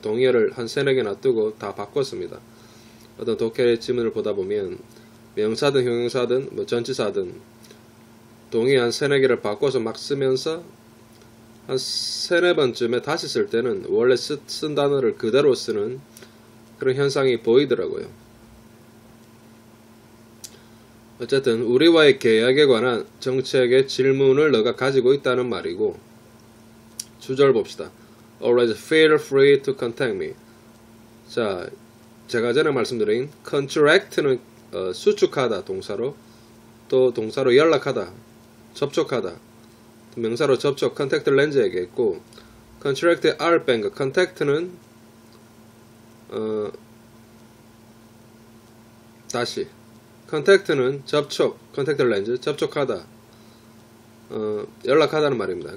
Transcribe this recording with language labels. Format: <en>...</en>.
<ko>동의어를 한 세네 개나 뜨고 다 바꿨습니다. 어떤 독해의 지문을 보다 보면 명사든 형용사든 뭐 전치사든 동의 한 세네 개를 바꿔서 막 쓰면서 한 세네 번쯤에 다시 쓸 때는 원래 쓴 단어를 그대로 쓰는 그런 현상이 보이더라고요. 어쨌든 우리와의 계약에 관한 정책의 질문을 너가 가지고 있다는 말이고, 주절 봅시다.</ko> <en>Always feel free to contact me.</en> <ko>자, 제가 전에 말씀드린 contract는 수축하다, 동사로. 또 동사로 연락하다, 접촉하다. 명사로 접촉, contact lens 얘기했고, contract의 R 뺀거 contact는 다시 contact는 접촉, contact lens 접촉하다, 연락하다는 말입니다.</ko>